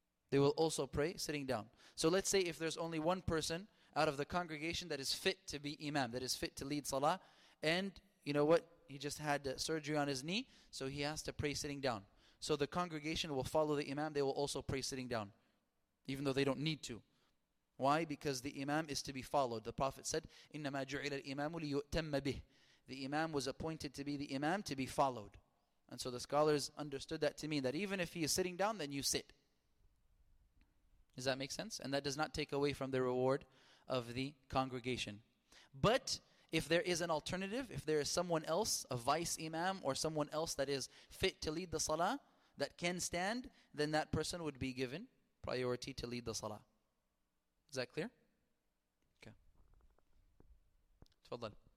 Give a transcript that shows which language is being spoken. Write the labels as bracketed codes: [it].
[en] They will also pray sitting down. So let's say if there's only one person out of the congregation that is fit to be imam, that is fit to lead salah, and you know what? He just had surgery on his knee, so he has to pray sitting down. So the congregation will follow the imam, they will also pray sitting down, even though they don't need to. Why? Because the imam is to be followed. The Prophet said, [ar] إِنَّمَا جُعِلَ الْإِمَامُ لِيُؤْتَمَّ بِهِ. [en] The imam was appointed to be the imam to be followed. And so the scholars understood that to mean that even if he is sitting down, then you sit. Does that make sense? And that does not take away from the reward of the congregation. But if there is an alternative, if there is someone else, a vice imam or someone else that is fit to lead the salah, that can stand, then that person would be given priority to lead the salah. Is that clear? Okay. Tafadhal.